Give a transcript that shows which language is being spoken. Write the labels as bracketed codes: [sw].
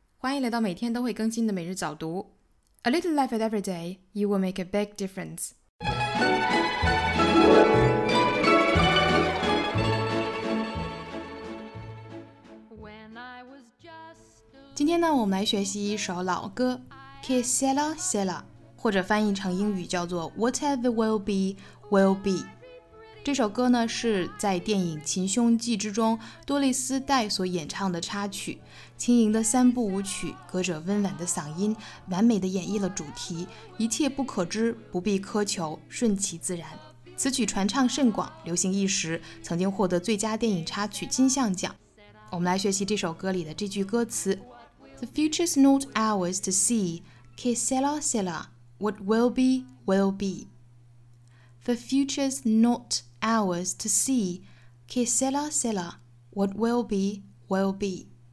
[zh] 欢迎来到每天都会更新的每日早读。 [en] A little life at every day, you will make a big difference. [zh] 今天呢，我们来学习一首老歌 Que sera, sera, 或者翻译成英语叫做 Whatever will be, will be。这首歌呢是在电影《秦凶记》之中多丽丝黛所演唱的插曲，轻盈的三部舞曲，隔着温婉的嗓音，完美的演绎了主题，一切不可知，不必苛求，顺其自然。此曲传唱甚广，流行一时，曾经获得最佳电影插曲金像奖。我们来学习这首歌里的这句歌词 [en] The future's not ours to see, que sera, sera, what will be, will beThe future's not ours to see, que sera, sera, what will be, will be.